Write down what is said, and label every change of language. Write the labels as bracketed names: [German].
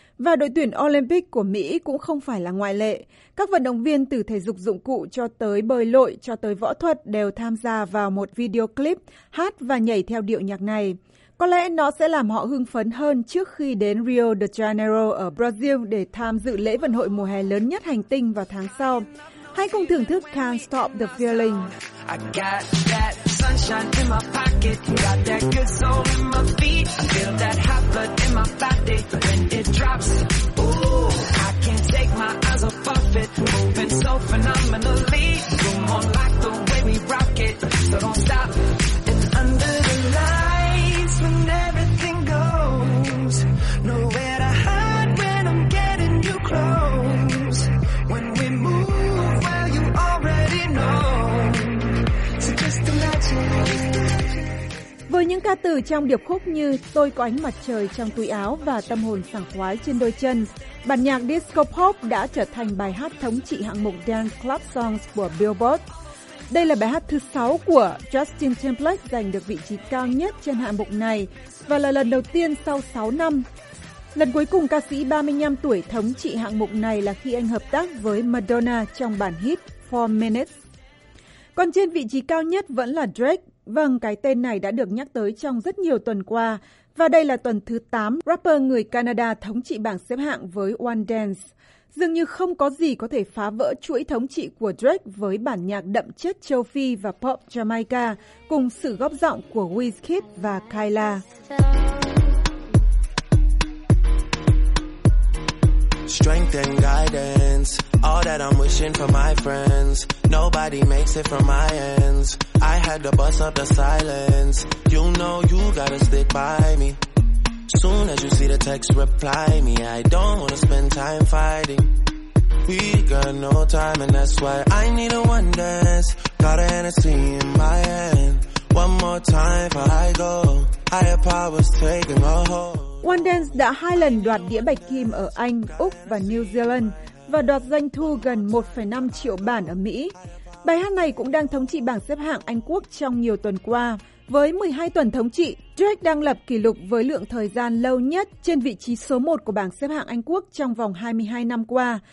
[Vietnamese] Và đội tuyển Olympic của Mỹ cũng không phải là ngoại lệ. Các vận động viên từ thể dục dụng cụ cho tới bơi lội cho tới võ thuật đều tham gia vào một video clip hát và nhảy theo điệu nhạc này. Có lẽ nó sẽ làm họ hưng phấn hơn trước khi đến Rio de Janeiro ở Brazil để tham dự lễ vận hội mùa hè lớn nhất hành tinh vào tháng sau. Hãy cùng thưởng thức Can't Stop the Feeling. [English] Sunshine in my pocket, got that good soul in my feet. I feel that hot blood in my body when it drops. Ooh, I can't take my eyes off of it, moving so phenomenally. Come on, like the way we rock it, so don't stop. And under the lights, when everything goes nowhere to hide, when I'm getting you close, when we move, well you already know. So just imagine. [Vietnamese] Với những ca từ trong điệp khúc như tôi có ánh mặt trời trong túi áo và tâm hồn sảng khoái trên đôi chân, bản nhạc Disco Pop đã trở thành bài hát thống trị hạng mục Dance Club Songs của Billboard. Đây là bài hát thứ 6 của Justin Timberlake giành được vị trí cao nhất trên hạng mục này và là lần đầu tiên sau 6 năm. Lần cuối cùng ca sĩ 35 tuổi thống trị hạng mục này là khi anh hợp tác với Madonna trong bản hit 4 Minutes. Còn trên vị trí cao nhất vẫn là Drake. Vâng, cái tên này đã được nhắc tới trong rất nhiều tuần qua. Và đây là tuần thứ 8 rapper người Canada thống trị bảng xếp hạng với One Dance. Dường như không có gì có thể phá vỡ chuỗi thống trị của Drake với bản nhạc đậm chất châu Phi và pop Jamaica cùng sự góp giọng của Wizkid và Kyla. [English] Strength and guidance, all that I'm wishing for my friends. Nobody makes it from my ends. I had to bust up the silence. You know you gotta stick by me. Soon as you see the text, reply me. I don't wanna spend time fighting. We got no time and that's why I need a one dance. Got a Hennessy in my hand. One more time before I go. Higher powers taking a hold. [Vietnamese] One Dance đã hai lần đoạt đĩa bạch kim ở Anh, Úc và New Zealand và đoạt doanh thu gần 1,5 triệu bản ở Mỹ. Bài hát này cũng đang thống trị bảng xếp hạng Anh Quốc trong nhiều tuần qua. Với 12 tuần thống trị, Drake đang lập kỷ lục với lượng thời gian lâu nhất trên vị trí số 1 của bảng xếp hạng Anh Quốc trong vòng 22 năm qua.